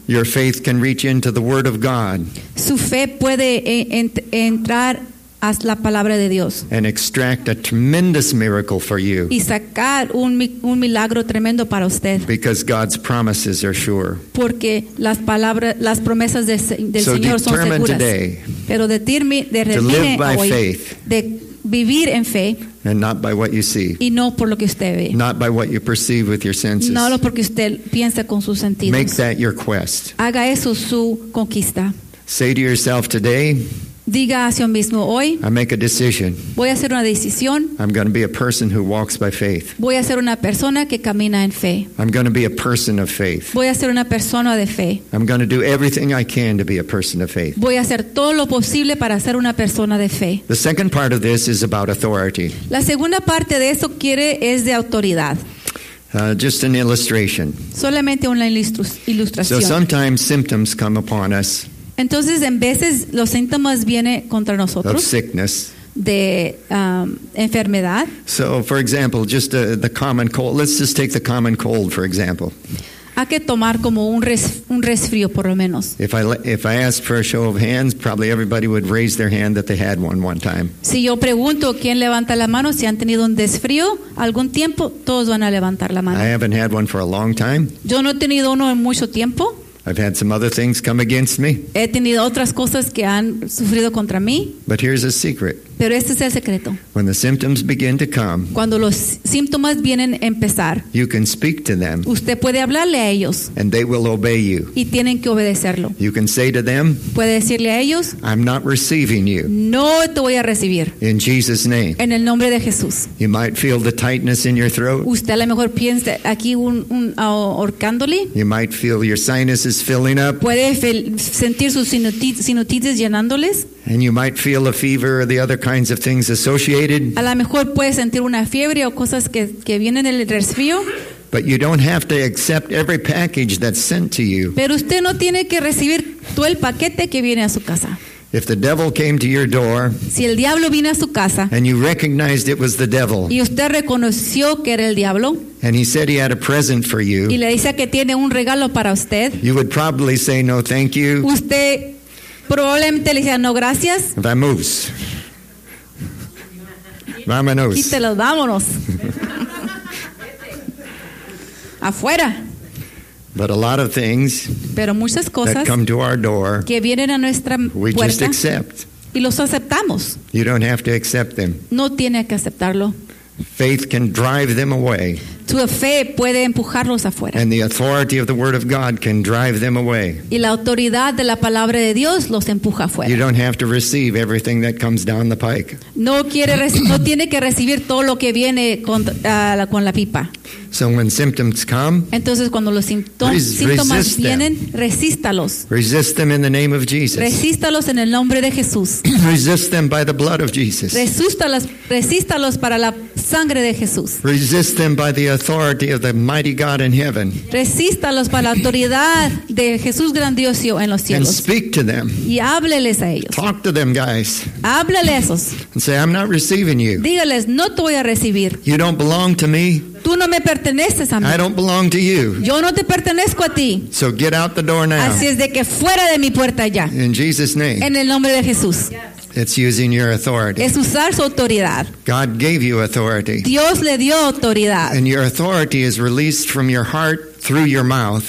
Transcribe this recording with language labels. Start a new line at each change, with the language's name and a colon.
English: Your faith can reach into the word of God.
Spanish: Su fe puede entrar a la palabra de Dios.
English: And extract a tremendous miracle for you.
Spanish: Y sacar un milagro tremendo para usted.
English: Because God's promises are sure.
Spanish: Porque las promesas del Señor son seguras.
English: Today,
Spanish: pero determine hoy
English: faith,
Spanish: de vivir en fe.
English: And not by what you see.
Spanish: Y no por lo que usted ve.
English: Not by what you perceive with your senses.
Spanish: No lo porque usted piensa con sus sentidos.
English: Make that your quest.
Spanish: Haga eso su conquista.
English: Say to yourself today,
Spanish: diga a sí mismo hoy.
English: I make a decision.
Spanish: Voy a hacer una decisión.
English: I'm going to be a person who walks by faith.
Spanish: Voy a ser una persona que camina en fe.
English: I'm going to be a person of faith.
Spanish: Voy a ser una persona de fe.
English: I'm going to do everything I can to be a person of faith.
Spanish: Voy a hacer todo lo posible para ser una persona de fe.
English: The second part of this is about authority.
Spanish: La segunda parte de eso quiere es de autoridad.
English: Just an illustration.
Spanish: Solamente una ilustración.
English: So sometimes symptoms come upon us.
Spanish: Entonces, en veces los síntomas vienen contra nosotros.
English: Of sickness.
Spanish: De enfermedad.
English: So, for example, just the common cold. Let's just take the common cold, for example.
Spanish: Hay que tomar como un resfrío, por lo menos.
English: If I asked for a show of hands, probably everybody would raise their hand that they had one time.
Spanish: Si yo pregunto quién levanta la mano si han tenido un desfrío algún tiempo, todos van a levantar la mano.
English: I haven't had one for a long time.
Spanish: Yo no he tenido uno en mucho tiempo.
English: I've had some other things come against me.
Spanish: He tenido otras cosas que han sufrido contra mí.
English: But here's a secret.
Spanish: Pero este es el secreto.
English: When the symptoms begin to come,
Spanish: cuando los síntomas vienen a empezar,
English: you can speak to them.
Spanish: Usted puede hablarle a ellos.
English: And they will obey you.
Spanish: Y tienen que obedecerlo.
English: You can say to them,
Spanish: puede decirle a ellos,
English: I'm not receiving you.
Spanish: No te voy a recibir.
English: In Jesus' name.
Spanish: En el nombre de Jesús.
English: You might feel the tightness in your throat.
Spanish: Usted a lo mejor piensa aquí un ahorcándole.
English: You might feel your sinus is filling up.
Spanish: Puede sentir sus sinusitis llenándoles.
English: And you might feel a fever or the other kinds of things associated.
Spanish: A lo mejor puede sentir una fiebre o cosas que vienen del resfrío.
English: But you don't have to accept every package that's sent to you.
Spanish: Pero usted no tiene que recibir todo el paquete que viene a su casa.
English: If the devil came to your door,
Spanish: si el diablo vino a su casa,
English: and you recognized it was the devil,
Spanish: y usted reconoció que era el diablo,
English: and he said he had a present for you,
Spanish: y le dice que tiene un regalo para usted,
English: you would probably say no, thank you.
Spanish: Usted probablemente le decía no, gracias. Vamos. Vámonos. Quítelo, vámonos. Afuera.
English: But a lot of things,
Spanish: pero muchas cosas,
English: that come to our door,
Spanish: que vienen a nuestra puerta,
English: we just accept.
Spanish: Y los aceptamos.
English: You don't have to accept them.
Spanish: No tiene que aceptarlo.
English: Faith can drive them away.
Spanish: Tu fe puede empujarlos afuera.
English: And the authority of the word of God can drive them away.
Spanish: Y la autoridad de la palabra de Dios los empuja afuera.
English: You don't have to receive everything that comes down the pike.
Spanish: No tiene que recibir todo lo que viene con la pipa.
English: So when symptoms come,
Spanish: entonces cuando los síntomas vienen, resístalos.
English: Resist them in the name of Jesus.
Spanish: Resístalos en el nombre de Jesús.
English: Resist them by the blood of Jesus.
Spanish: Resístalos para la sangre de Jesús.
English: Resist them by the authority of the mighty God in heaven.
Spanish: Resístalos para la autoridad de Jesús grandioso en los cielos.
English: And speak to them.
Spanish: Y hábleles a ellos.
English: Talk to them, guys.
Spanish: Háblele a esos.
English: And say, I'm not receiving you.
Spanish: Dígales, no te voy a recibir.
English: You don't belong to me.
Spanish: Tú no me perteneces a mí.
English: I don't belong to you.
Spanish: Yo no te pertenezco a ti.
English: So get out the door now.
Spanish: Así es de que fuera de mi puerta ya.
English: In Jesus' name.
Spanish: En el nombre de Jesús.
English: Yes. It's using your authority.
Spanish: Es usar su autoridad.
English: God gave you authority.
Spanish: Dios le dio autoridad.
English: And your authority is released from your heart through your mouth.